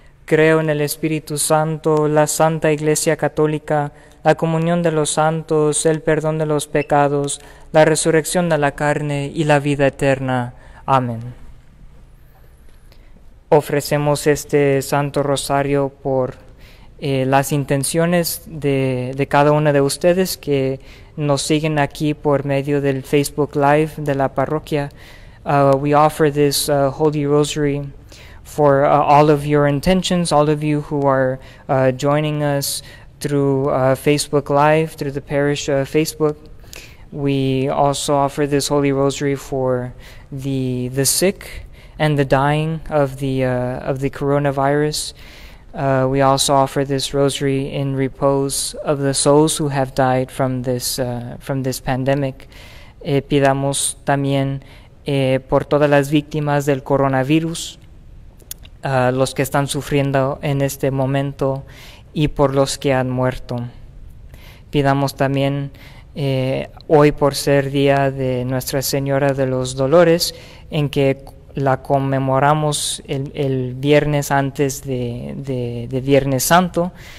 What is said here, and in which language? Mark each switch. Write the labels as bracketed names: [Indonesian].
[Spanish] Creo en el Espíritu Santo, la Santa Iglesia Católica, la comunión de los santos, el perdón de los pecados, la resurrección de la carne y la vida eterna. Amén. Ofrecemos este Santo Rosario por las intenciones de cada uno de ustedes que nos siguen aquí por medio del Facebook Live de la parroquia. [English] We offer this Holy Rosary for all of your intentions, all of you who are joining us through Facebook Live, through the parish Facebook. We also offer this Holy Rosary for the sick and the dying of the coronavirus. We also offer this rosary in repose of the souls who have died from this pandemic. [Spanish] Pidamos también por todas las víctimas del coronavirus, los que están sufriendo en este momento y por los que han muerto. Pidamos también hoy por ser día de Nuestra Señora de los Dolores, en que la conmemoramos el viernes antes de Viernes Santo.